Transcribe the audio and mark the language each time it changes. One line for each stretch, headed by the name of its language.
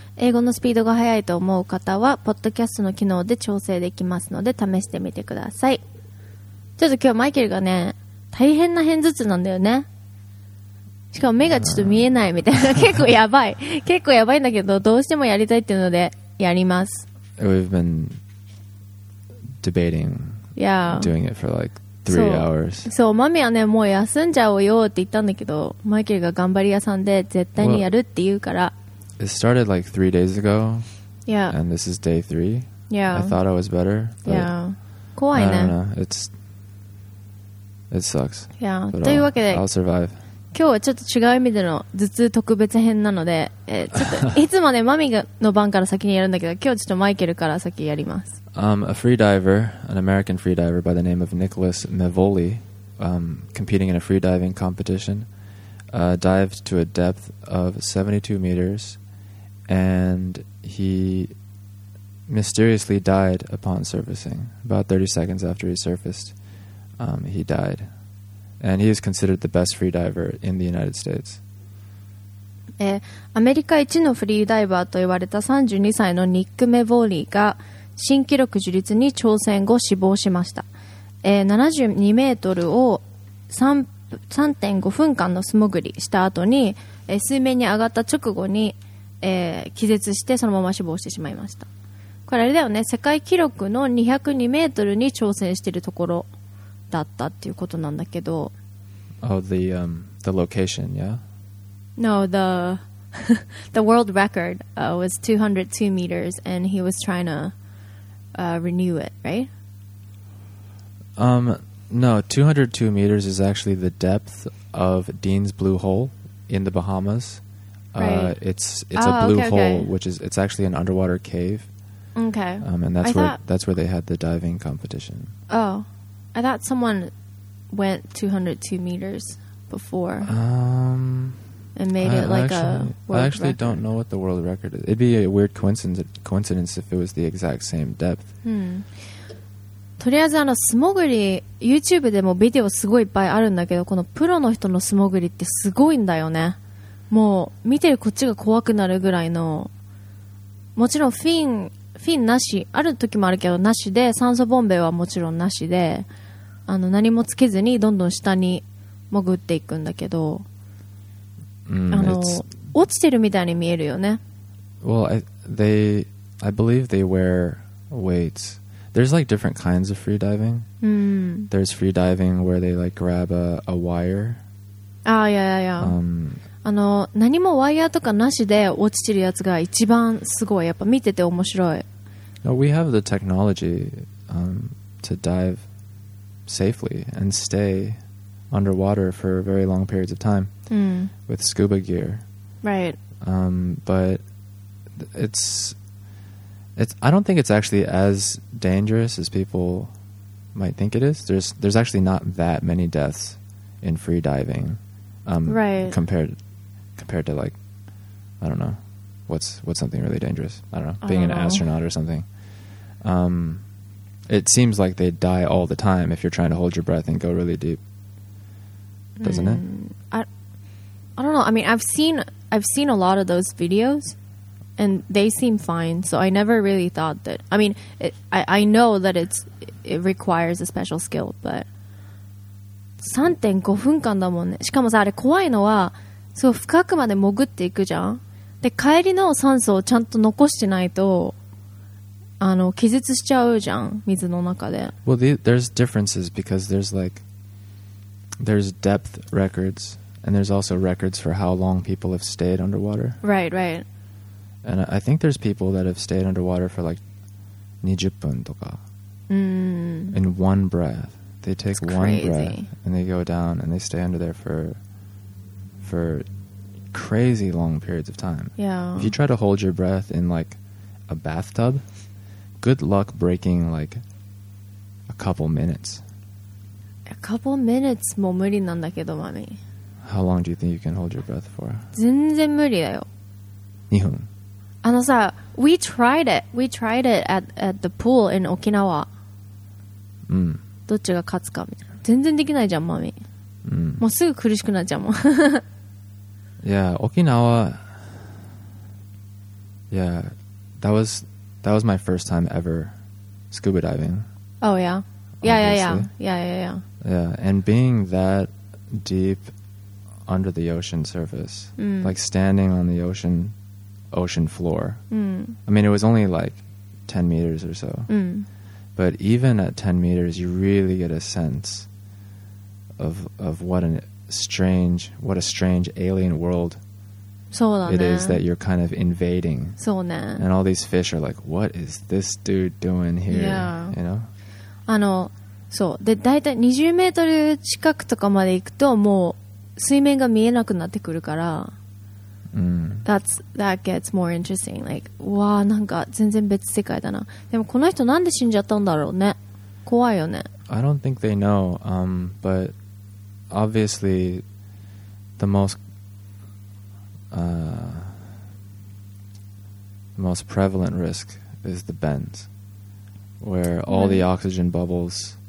Japanese: 英語のスピードが速いと思う方はポッドキャストの機能で調整できますので試してみてください。ちょっと今日マイケルがね、大変な偏頭痛なんだよね。しかも目がちょっと見えないみたいな、結構やばい結構やばいんだけど、どうしてもやりたいっていうのでやります。
English: We've been debating doing it for like three hours.
Japanese: そう、マミはね、もう休んじゃおうよって言ったんだけど、マイケルが頑張り屋さんで絶対にやるって言うから。
English: Well, it started like three days ago. Yeah. And this is day three. Yeah. I thought I was better. But yeah.
Japanese: 怖いね。
English: I don't know. It sucks. Yeah. But
Japanese: というわけで、
English: I'll survive.
Japanese: 今日はちょっと違う意味での頭痛特別編なので、ちょっといつもね、マミの番から先にやるんだけど、今日ちょっとマイケルから先やります。
English: A free diver, an American free diver by the name of Nicholas Mevoli, competing in a free diving competition, dived to a depth of 72 meters, and he mysteriously died upon surfacing. About 30 seconds after he surfaced, he died. And he is considered the best free diver in the United States.
Japanese: アメリカ一のフリーダイバーと言われた32歳のニック・メヴォーリーが新記録樹立に挑戦後死亡しました。 72メートルを 3.5 分間の素潜りした後に、水面に上がった直後に、気絶してそのまま死亡してしまいました。これあれだよね、世界記録の202メートルに挑戦しているところだったっていうことなんだけど。
English: Oh, the location, yeah? No, the world record was 202 meters, and he was trying to renew it, right? No, 202 meters is actually the depth of Dean's Blue Hole in the Bahamas. Right. It's actually an underwater cave. Okay. And that's where they had the diving competition. Oh, I thought someone went 202 meters before. And made it like a world record. I don't know what the world record is. It'd be a weird coincidence if it was the exact same depth.
Japanese: とりあえずあの素潜り、 YouTube でもビデオすごいいっぱいあるんだけど、このプロの人の素潜りってすごいんだよね。もう見てるこっちが怖くなるぐらいの、もちろんフィンなし、ある時もあるけどなしで、酸素ボンベはもちろんなしで、あの何もつけずにどんどん下に潜っていくんだけど、落ちてるみたいに見えるよね。
English: Well, I believe they wear weights. There's like different kinds of free diving. There's free diving where they like grab a wire. Ah, yeah, yeah, yeah.
Japanese: 何もワイヤーとかなしで落ちてるやつが一番すごい。やっぱ見てて面白い。
English: No, we have the technology to dive safely and stay underwater for very long periods of time. With scuba gear. Right. But I don't think it's actually as dangerous as people might think it is. There's actually not that many deaths in free diving. Right. Compared to like, I don't know, what's something really dangerous? I don't know, being an astronaut or something. It seems like they die all the time if you're trying to hold your breath and go really deep. Doesn't it? I don't know. I mean, I've seen a lot of those videos, and they seem fine. So I never really thought that. I mean, I know that it requires a special skill, but
Japanese: 3.5 分間だもんね。しかもさ、あれ怖いのは、そう深くまで潜っていくじゃん。で、帰りの酸素をちゃんと残してないと、あの気絶しちゃうじゃん、水の中で。
English: Well, there's differences because there's depth records. And there's also records for how long people have stayed underwater. Right, right. And I think there's people that have stayed underwater for like
Japanese: 20 分とか
English: in one breath. They take one breath and they go down and they stay under there for crazy long periods of time. Yeah. If you try to hold your breath in like a bathtub, good luck breaking like a couple minutes. A couple minutes
Japanese: も無理なんだけど、マミ。
English: How long do you think you can hold your breath for?
Japanese: 全然無理だよ。 2分。あのさ、
English: we tried it at the pool in Okinawa.
Japanese: うん、どっちが勝つかみたいな。全然できないじゃんマミ、うん、もうすぐ苦しくなっちゃうもん。いや沖縄、いや
English: that was my first time ever scuba diving. Oh yeah. Yeah, yeah, yeah, yeah, yeah, yeah, Yeah, and being that deep under the ocean surface, mm. like standing on the ocean floor. Mm. I mean, it was only like 10 meters or so. Mm. But even at 10 meters, you really get a sense of what a strange alien world it is that you're kind of invading.
Japanese: そうね。
English: And all these fish are like, what is this dude doing here? Yeah. You know?
Japanese: あの、そう。で、大体20メートル近くとかまで行くと、もう水面が見えなくなってくるから。
English: That gets more interesting. Like,
Japanese: わー、なんか全然別世界だな。でもこの人なんで死んじゃったんだろうね。怖いよね。
English: I don't think they know, but obviously the most most prevalent risk is the bends, where all the oxygen bubbles,